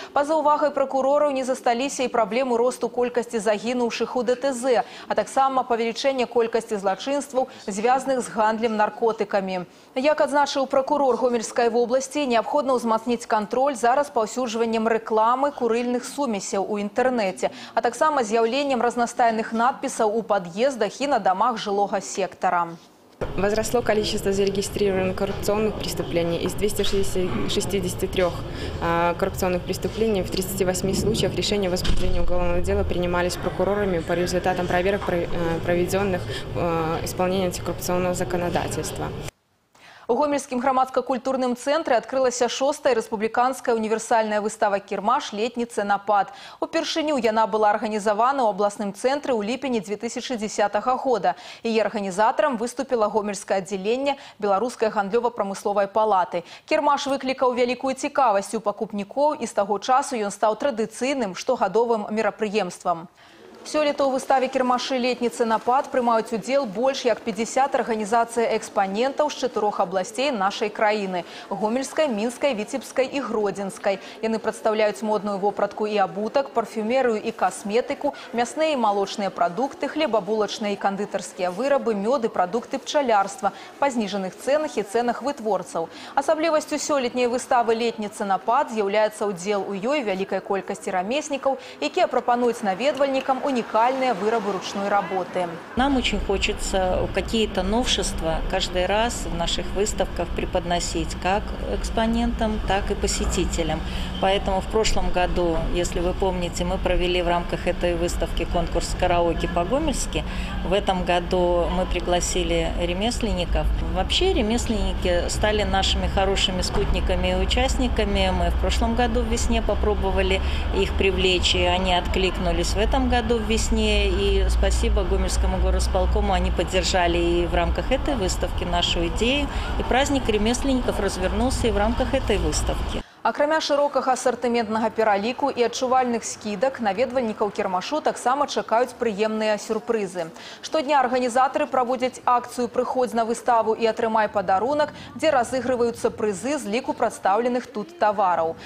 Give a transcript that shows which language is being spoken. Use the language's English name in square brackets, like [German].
[Belarusian] Па-за ўвагай пракурораў не засталіся і праблемы росту колькасці загінуўшых у ДТЗ, а таксама павялічэнне колькасці злачынстваў, звязаных з гандлем наркотыкамі. Як адзначыў пракурор Гомельскай вобласці, неабходна ўзмацніць кантроль за распаўсюджваннем рэкламы курыльных сумесяў у інтэрнэце, а таксама з'яўленнем разнастайных надпісаў у пад'ездах і на домах [Russian] жилого сектора. Возросло количество зарегистрированных коррупционных преступлений. Из 263 коррупционных преступлений в 38 случаях решения о возбуждении уголовного дела принимались прокурорами по результатам проверок, проведенных исполнением антикоррупционного законодательства. [Belarusian] У Гомельскім грамадска-культурным цэнтры адкрылася 6-я рэспубліканская універсальная выстава «Кірмаш. Летні цэнапад». Упершыню яна была арганізавана ў абласным цэнтры ў ліпені 2010 года. Яе арганізатарам выступіла Гомельскае аддзяленне Беларускай гандлёва-прамысловай палаты. «Кірмаш» выклікаў вялікую цікавасць у пакупнікоў, і з таго часу ён стаў традыцыйным штогадовым мерапрыемствам. Сёлета ў выставе «Кірмашы. Летні цэнапад» прымаюць удзел больш як 50 арганізацый экспанентаў з 4 абласцей нашай краіны – Гомельскай, Мінскай, Віцебскай і Гродзенскай. Яны прадстаўляюць модную вопратку і абутак, парфюмерыю і касметыку, мясныя і малочныя прадукты, хлебабулачныя і кандытарскія вырабы, мёд і прадукты пчалярства, па зніжаных цэнах і цэнах вытворцаў. Асаблівасцю сёлетняй выставы «Летні цэнапад» з'яўляецца ўдзел у ёй вялікай колькасці рамеснікаў, якія прапануюць наведвальнікам уникальные вырабы ручной работы. [Russian] Нам очень хочется какие-то новшества каждый раз в наших выставках преподносить как экспонентам, так и посетителям. Поэтому в прошлом году, если вы помните, мы провели в рамках этой выставки конкурс «Караоке по-гомельски». В этом году мы пригласили ремесленников. Вообще ремесленники стали нашими хорошими спутниками и участниками. Мы в прошлом году в весне попробовали их привлечь, и они откликнулись в этом году. В весне, и спасибо Гомельскому горосполкому, они поддержали и в рамках этой выставки нашу идею, и праздник ремесленников развернулся и в рамках этой выставки. [Belarusian] Акрамя шырокага асартыментнага пераліку і адчувальных скідак, наведвальнікаў кірмашу таксама чакаюць прыемныя сюрпрызы. Штодня арганізатары праводзяць акцыю «Прыходзь на выставу і атрымай падарунак», дзе разыгрываюцца прызы з ліку прадстаўленых тут тавараў.